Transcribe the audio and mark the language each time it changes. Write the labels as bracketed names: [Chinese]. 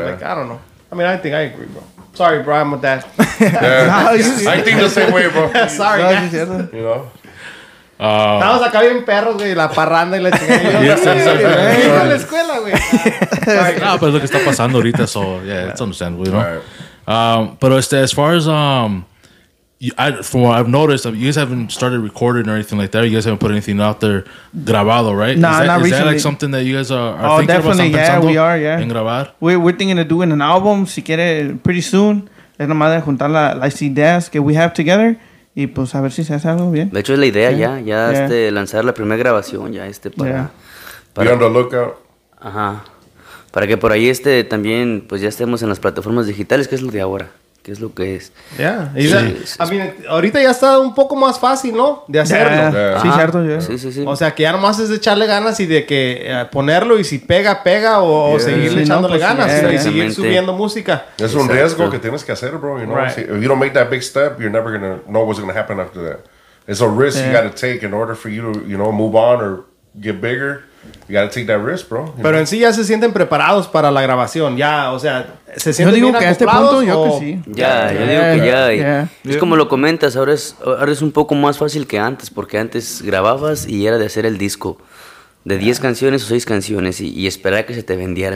[English] Like, I don't know. I mean, I think I agree, bro. Sorry, bro. I'm a dad. Yeah. I think the same way, bro. Sorry, guys. You know? [Spanish] Estamos acá bien perros, güey. La parranda y la chingada. Y la escuela, güey. No, pero es lo que está pasando ahorita. [English] So, yeah, it's understandable, you know? Pero as far as... from what I've noticed, you guys haven't started recording or anything like that. You guys haven't put anything out there grabado, right? No, not recently. Is that like something that you guys are thinking definitely, about? Definitely, yeah, we are, yeah. [Spanish] En grabar? [English] We're thinking of doing an album, [Spanish] si quiere, [English] pretty soon. [Spanish] Es nomás de juntar las ideas que [English] we have together [Spanish] y pues a ver si se hace algo bien. De hecho, es la idea ya lanzar la primera grabación ya para... [English] Be on the lookout. Ajá. [Spanish] Para que por ahí también, pues ya estemos en las plataformas digitales, que es lo de ahora. Que es lo que es. [English] Yeah. [Spanish] Ahorita ya está un poco más fácil, ¿no? De hacerlo. Yeah. Sí, ajá. Cierto. Yeah. Sí, sí, sí. O sea, que ya nomás es de echarle ganas y de que ponerlo y si pega, pega o seguirle echándole ganas y seguir subiendo música. Es un riesgo que tienes que hacer, bro. [English] You know? Right. If you don't make that big step, you're never going to know what's going to happen after that. It's a risk you got to take in order for you to, you know, move on or get bigger. You gotta take that risk, bro. [Spanish] Pero en sí ya se sienten preparados para la grabación. Ya, o sea, se sienten bien acoplados. Yo digo que a este punto, Ya. Es como lo comentas, ahora es un poco más fácil que antes, porque antes grababas y era de hacer el disco de 10 canciones o 6 canciones y esperar que se te vendiera.